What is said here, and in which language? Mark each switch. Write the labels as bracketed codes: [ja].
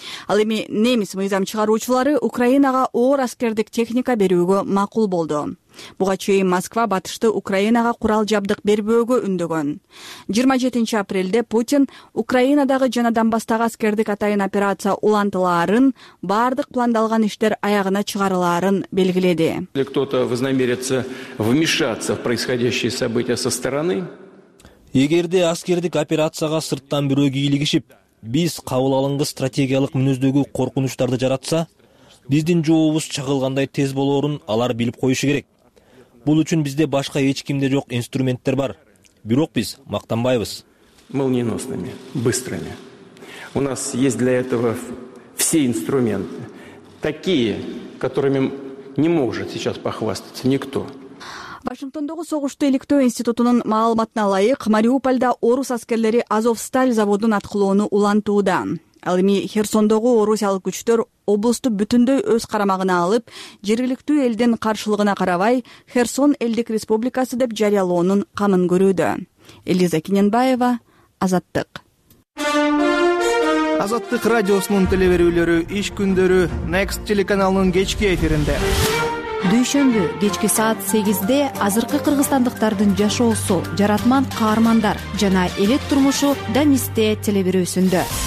[ky] Ал эми немис мыйзам чыгаруучулары Украинага оор аскердик техника берүүгө макул болду. Буга чейин Москва батышты Украинага курал жабдык бербөөгө үндөгөн. 27 апрелде Путин Украинадагы жана Донбасстагы аскердик атайын операция улантылаарын, баардык пландалган иштер аягына чыгарылаарын белгиледи. [ru] Если кто-то вознамерится вмешаться в происходящие события со стороны, [ky] эгерде аскердик операцияга сырттан бирөө кийлигишип, биз кабыл алынган стратегиялык мүнөздөгү коркунучтарды жаратса, биздин жообубуз чагылгандай тез болоорун алар билип коюшу керек. Бул үчүн бизде башка эч кимде жок инструменттер бар. Бирок биз мактанбайбыз. [ru] Молниеносными, быстрыми. У нас есть для этого все инструменты. Такие, которыми не может сейчас похвастаться никто. [ky] Вашингтондогу согушту иликтөө институтунун маалыматына ылайык, Мариупольда орус аскерлери Азовсталь заводун аткылоону улантууда. Ал эми Херсондогу орусиялык күчтөр облусту бүтүндөй өз карамагына алып, жергиликтүү элдин каршылыгына карабай, Херсон элдик республикасы деп жарыялоонун камын көрүүдө. Элиза Кененбаева, Азаттык. Азаттык радиосунун телеберүүлөрү иш күндөрү Next телеканалынын кечки эфиринде. Дүйшөмбү кечки саат 8:00 азыркы кыргызстандыктардын жашоосу, жаратман каармандар жана элет турмушу Данисте телеберүүсүндө.